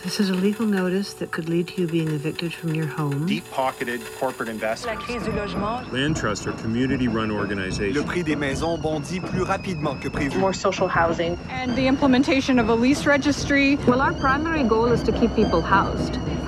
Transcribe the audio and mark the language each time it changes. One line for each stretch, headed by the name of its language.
English: This is a legal notice that could lead to you being evicted from your home. Deep-pocketed corporate investors.
French: La crise du logement.
English: Land trusts are community-run organizations.
French: Le prix des maisons bondit plus rapidement que prévu.
English: More social housing. And the implementation of a lease registry. Well, our primary goal is to keep people housed.